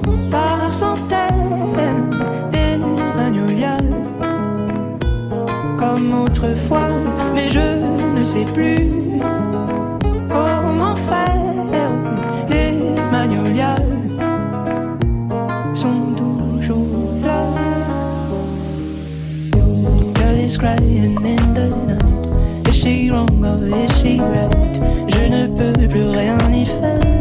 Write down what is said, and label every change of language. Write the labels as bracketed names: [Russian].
[French] Par centaines des magnolias, comme autrefois, mais je ne sais plus comment faire. Les magnolias sont toujours là. [English] Your girl is crying in the night. Is she wrong or is she right? [French] Je ne peux plus rien y faire.